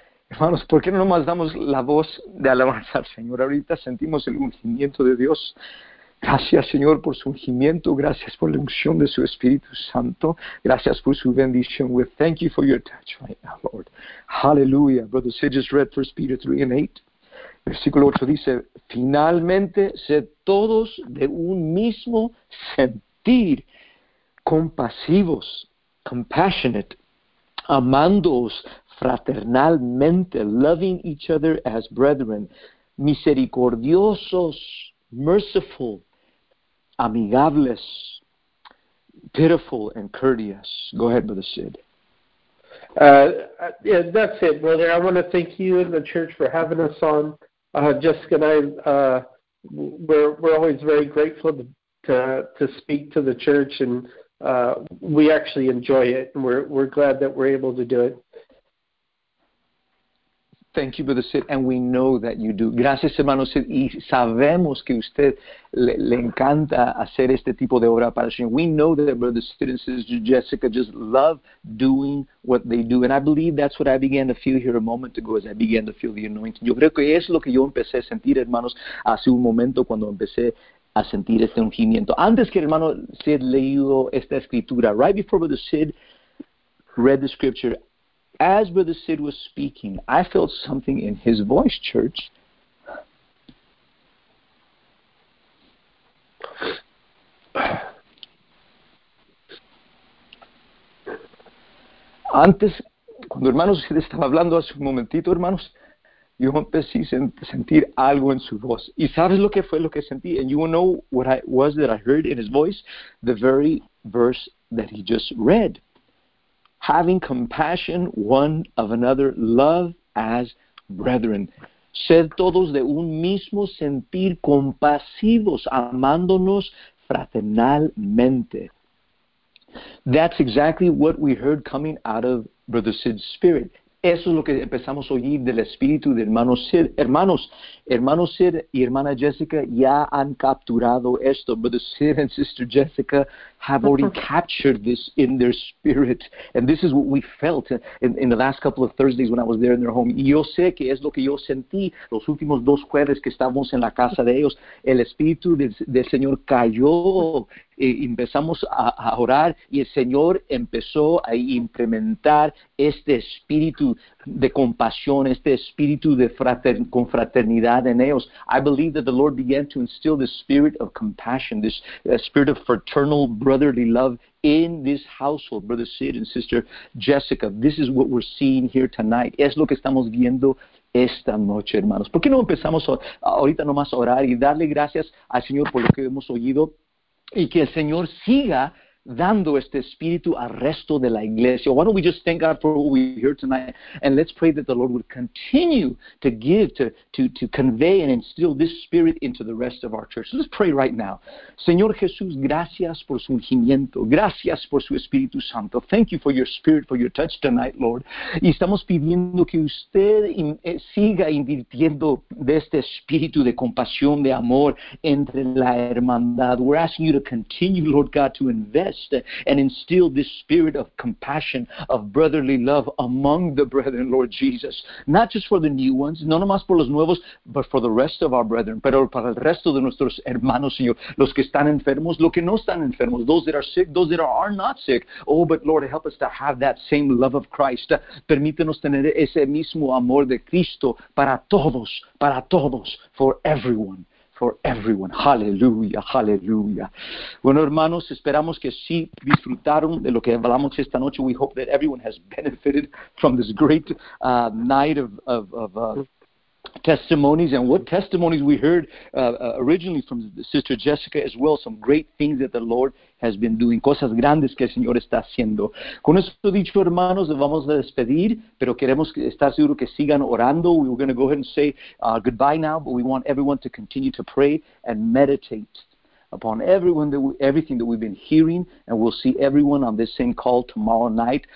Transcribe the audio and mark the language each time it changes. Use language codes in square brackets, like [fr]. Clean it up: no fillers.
[es] Hermanos, ¿por qué no nomás damos la voz de alabanza al Señor? Ahorita sentimos el ungimiento de Dios. Gracias, Señor, por su ungimiento. Gracias por la unción de su Espíritu Santo. Gracias por su bendición. [en] We thank you for your touch right now, Lord. Hallelujah. Brother Sid just read 1 Peter 3:8. [es] Versículo 8 dice, finalmente, sed todos de un mismo sentir, compasivos, compassionate, amándoos fraternalmente, [en] loving each other as brethren, [es] misericordiosos, [en] merciful, [es] amigables, [en] pitiful, and courteous. Go ahead, Brother Sid. Yeah, that's it, Brother. I want to thank you and the church for having us on. Jessica and I, we're always very grateful to speak to the church, and we actually enjoy it, and we're glad that we're able to do it. Thank you, Brother Sid, and we know that you do. [es] Gracias, hermano Sid, y sabemos que usted le encanta hacer este tipo de obra para el Señor. [en] We know that Brother Sid and Sister Jessica just love doing what they do, and I believe that's what I began to feel here a moment ago as I began to feel the anointing. [es] Yo creo que es lo que yo empecé a sentir, hermanos, hace un momento cuando empecé a sentir este ungimiento. Antes que el hermano Sid leído esta escritura, [en] right before Brother Sid read the scripture, as Brother Sid was speaking, I felt something in his voice, church. [es] Antes, cuando hermano Sid estaba hablando hace un momentito, hermanos, yo empecé a sentir algo en su voz. ¿Y sabes lo que fue lo que sentí? [en] And you will know what it was that I heard in his voice, the very verse that he just read. Having compassion one of another, love as brethren. [es] Sed todos de un mismo sentir, compasivos, amándonos fraternalmente. [en] That's exactly what we heard coming out of Brother Sid's spirit. [es] Eso es lo que empezamos a oír del espíritu de hermano Sid. Hermanos, hermano Sid y hermana Jessica ya han capturado esto. [en] Brother Sid and Sister Jessica have already captured this in their spirit. And this is what we felt in the last couple of Thursdays when I was there in their home. [es] Y yo sé que es lo que yo sentí los últimos dos jueves que estábamos en la casa de ellos. El espíritu del Señor cayó empezamos a orar y el Señor empezó a implementar este espíritu de compasión, este espíritu de confraternidad en ellos. [en] I believe that the Lord began to instill the spirit of compassion, this spirit of fraternal brotherly love in this household, Brother Sid and Sister Jessica. This is what we're seeing here tonight. [es] Es lo que estamos viendo esta noche, hermanos. ¿Por qué no empezamos ahorita nomás a orar y darle gracias al Señor por lo que hemos oído y que el Señor siga dando este espíritu al resto de la iglesia? [en] Why don't we just thank God for what we hear tonight, and let's pray that the Lord would continue to give, to convey and instill this spirit into the rest of our church. Let's pray right now. [es] Señor Jesús, gracias por su ungimiento. Gracias por su Espíritu Santo. [en] Thank you for your spirit, for your touch tonight, Lord. [es] Y estamos pidiendo que usted siga invirtiendo de este espíritu de compasión, de amor entre la hermandad. [en] We're asking you to continue, Lord God, to invest and instill this spirit of compassion, of brotherly love among the brethren, Lord Jesus. Not just for the new ones, [es] no nomás por los nuevos, [en] but for the rest of our brethren, [es] pero para el resto de nuestros hermanos, Señor, los que están enfermos, los que no están enfermos, [en] those that are sick, those that are not sick. Oh, but Lord, help us to have that same love of Christ. [es] Permítenos tener ese mismo amor de Cristo para todos, [en] for everyone. For everyone. [es] Hallelujah, hallelujah. Bueno, hermanos, esperamos que sí disfrutaron de lo que hablamos esta noche. [en] We hope that everyone has benefited from this great night of testimonies, and what testimonies we heard originally from Sister Jessica as well. Some great things that the Lord has been doing. [es] Cosas grandes que el Señor está haciendo. Con esto dicho, hermanos, vamos a despedir, pero queremos estar seguro que sigan orando. [en] We're going to go ahead and say goodbye now, but we want everyone to continue to pray and meditate upon everything that we've been hearing, and we'll see everyone on this same call tomorrow night.